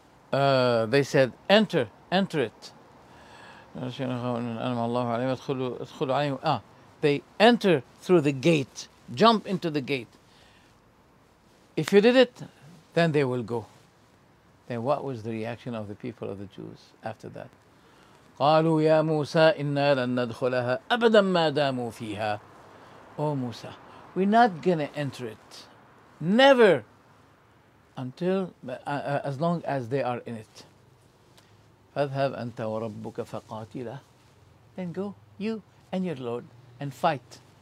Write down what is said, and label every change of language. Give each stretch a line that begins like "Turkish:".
English: They said, enter it. They enter through the gate, jump into the gate. If you did it, then they will go. Then what was the reaction of the people of the Jews after that?
Arabic: قالوا يا موسى إنا لن ندخلها أبدا ما داموا فيها.
English: Oh Musa, we're not gonna enter it, never, as long as they are in it.
Arabic: فَذْهَبْ أَنْتَ وَرَبُّكَ فَقَاتِلَ.
English: Then go, you and your Lord, and fight.